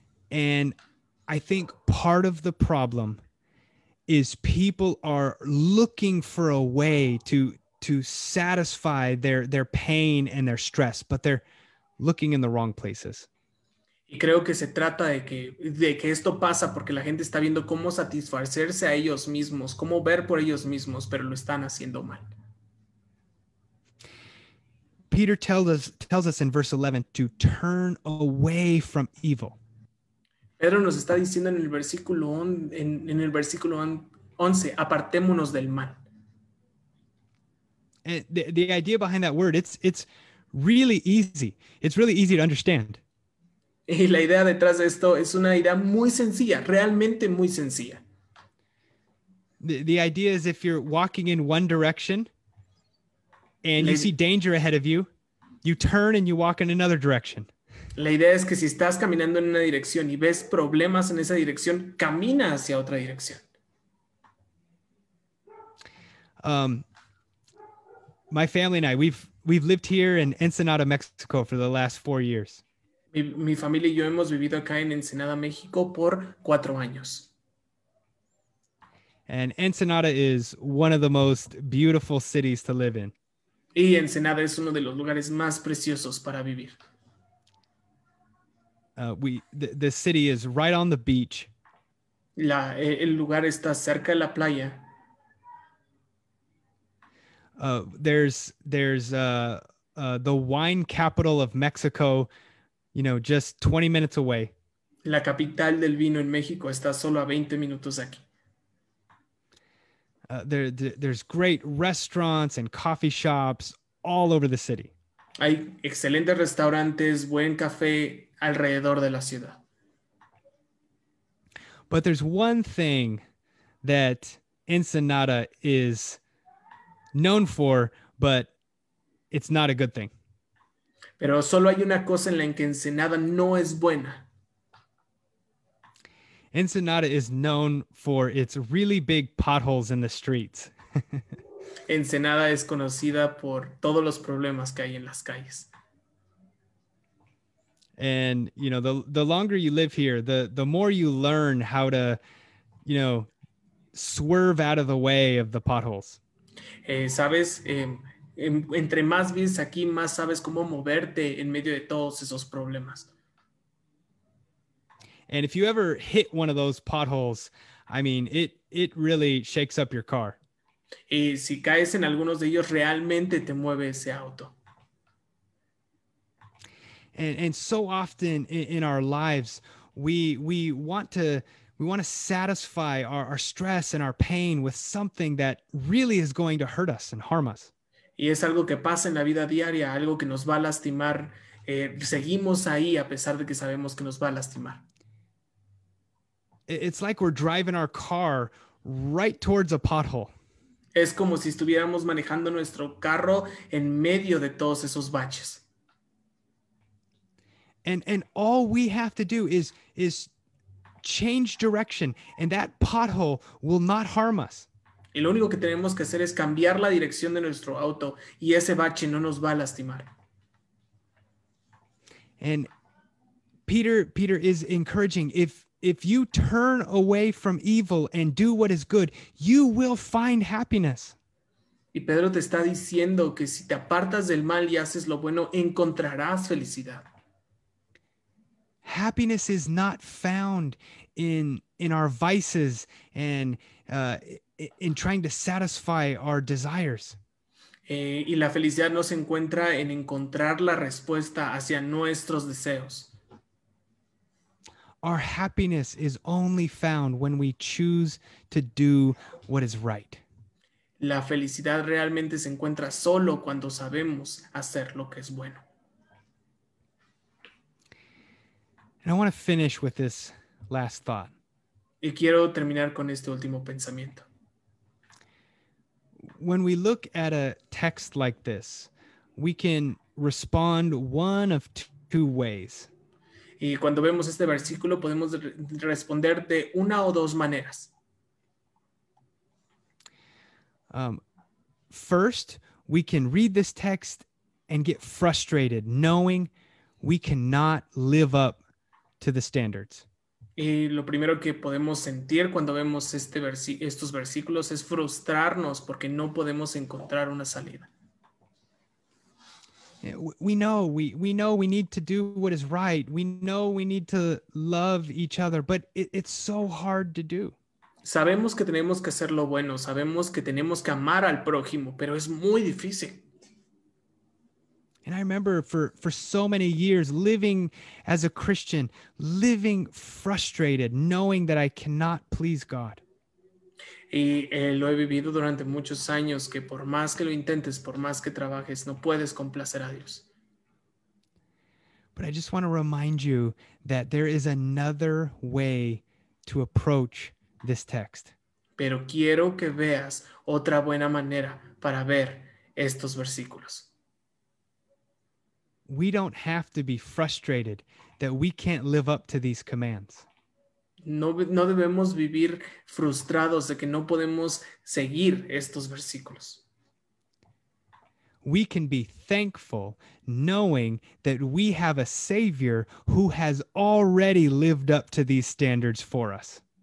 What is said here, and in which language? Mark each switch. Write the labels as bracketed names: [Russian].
[English] And I think part of the problem is people are looking for a way to satisfy their pain and their stress, but they're looking in the wrong places. [Spanish] Y creo que se trata de que esto pasa porque la gente está viendo cómo satisfacerse a ellos mismos, cómo ver por ellos mismos, pero lo están haciendo mal. [English] Peter tells us in verse 11 to turn away from evil. [Spanish] Pedro nos está diciendo en el versículo 11, apartémonos del mal. [English] The idea behind that word, it's really easy. It's really easy to understand. [Spanish] Y la idea detrás de esto es una idea muy sencilla, realmente muy sencilla. [English] The idea is if you're walking in one direction and you see danger ahead of you, you turn and you walk in another direction. [Spanish] La idea es que si estás caminando en una dirección y ves problemas en esa dirección, camina hacia otra dirección. [English] My family and I, we've lived here in Ensenada, Mexico for the last 4 years. [Spanish] Mi familia y yo hemos vivido acá en Ensenada, México por 4 años. [English] And Ensenada is one of the most beautiful cities to live in. [Spanish] Y Ensenada es uno de los lugares más preciosos para vivir. [English] The city is right on the beach. [Spanish] El lugar está cerca de la playa. [English] There's the wine capital of Mexico, you know, just 20 minutes away. [Spanish] La capital del vino en México está solo a 20 minutos aquí. [English] There's great restaurants and coffee shops all over the city. [Spanish] Hay excelentes restaurantes, buen café alrededor de la ciudad. [English] But there's one thing that Ensenada is known for, but it's not a good thing. [Spanish] Pero solo hay una cosa en la que Ensenada no es buena. [English] Ensenada is known for its really big potholes in the streets. [Spanish] Ensenada es conocida por todos los problemas que hay en las calles. [English] And, you know, the longer you live here, the more you learn how to, you know, swerve out of the way of the potholes. [Spanish] Sabes, entre más vives aquí, más sabes cómo moverte en medio de todos esos problemas. [English] And if you ever hit one of those potholes, I mean, it really shakes up your car. [Spanish] Y si caes en algunos de ellos, realmente te mueve ese auto. [English] And so often in our lives, we want to satisfy our stress and our pain with something that really is going to hurt us and harm us. [Spanish] Y es algo que pasa en la vida diaria, algo que nos va a lastimar. Seguimos ahí a pesar de que sabemos que nos va a lastimar. [English] It's like we're driving our car right towards a pothole. [Spanish] Es como si estuviéramos manejando nuestro carro en medio de todos esos baches. [English] And all we have to do is change direction, and that pothole will not harm us. [Spanish] Y lo único que tenemos que hacer es cambiar la dirección de nuestro auto y ese bache no nos va a lastimar. [English] And Peter is encouraging, if you turn away from evil and do what is good, you will find happiness. [Spanish] Y Pedro te está diciendo que si te apartas del mal y haces lo bueno, encontrarás felicidad. [English] happiness is not found in our vices and in trying to satisfy our desires. [Spanish] Y la felicidad no se encuentra en encontrar la respuesta hacia nuestros deseos. [English] Our happiness is only found when we choose to do what is right. [Spanish] La felicidad realmente se encuentra solo cuando sabemos hacer lo que es bueno. [English] And I want to finish with this last thought. [Spanish] Y quiero terminar con este último pensamiento. [English] When we look at a text like this, we can respond one of two ways. [Spanish] Y cuando vemos este versículo, podemos responder de una o dos maneras. [English] First, we can read this text and get frustrated, knowing we cannot live up to the standards. [Spanish] Y lo primero que podemos sentir cuando vemos este estos versículos es frustrarnos porque no podemos encontrar una salida. [English] We know we need to do what is right. We know we need to love each other, but it's so hard to do. [Spanish] Sabemos que tenemos que hacer lo bueno. Sabemos que tenemos que amar al prójimo, pero es muy difícil. [English] And I remember for so many years living as a Christian, living frustrated, knowing that I cannot please God. [Spanish] Y lo he vivido durante muchos años que por más que lo intentes, por más que trabajes, no puedes complacer a Dios. [English] But I just want to remind you that there is another way to approach this text. [Spanish] Pero quiero que veas otra buena manera para ver estos versículos. [English] We don't have to be frustrated that we can't live up to these commands. [Spanish] No debemos vivir frustrados de que no podemos seguir estos versículos. [English] We can be thankful knowing that we have a Savior who has already lived up to these standards for us.